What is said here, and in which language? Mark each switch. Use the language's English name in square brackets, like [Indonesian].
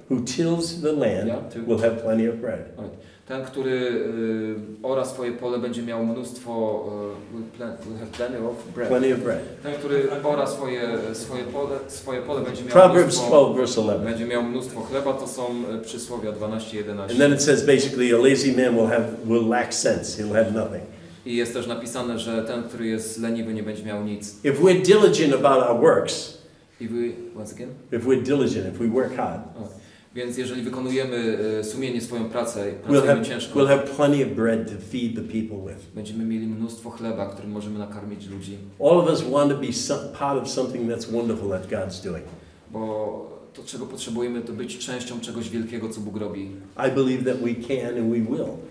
[English] Who tills the land, yeah, will have plenty of bread. [Polish] Ten, który ora swoje pole, będzie miał mnóstwo, [English] will have plenty of bread. Plenty of bread. [Polish] Ten, który ora swoje pole, będzie miał mnóstwo. [English] Proverbs 12, verse 11. [Polish] Będzie miał mnóstwo chleba. To są przysłowia 12:11. [English] And then it says basically, a lazy man will lack sense. He'll have nothing. [Polish] I jest też napisane, że ten, który jest leniwy, nie będzie miał nic. [English] If we're diligent about our works. If we're diligent, if we work hard. [Polish] Więc jeżeli wykonujemy sumiennie swoją pracę, pracujemy ciężko. [English] We'll have plenty of bread to feed the people with. [Polish] Będziemy mieli mnóstwo chleba, którym możemy nakarmić ludzi. [English] All of us want to be part of something that's wonderful that God's doing. [Polish] Bo to, czego potrzebujemy, to być częścią czegoś wielkiego, co Bóg robi. [English] I believe that we can and we will.